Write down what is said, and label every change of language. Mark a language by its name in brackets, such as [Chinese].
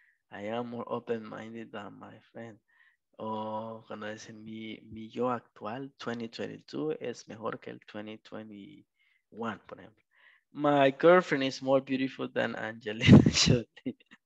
[English] I am more open-minded than my friend. [Spanish] Cuando dicen mi yo actual, 2022, es mejor que el 2021, por ejemplo. [English] My girlfriend is more beautiful than Angelina Jolie.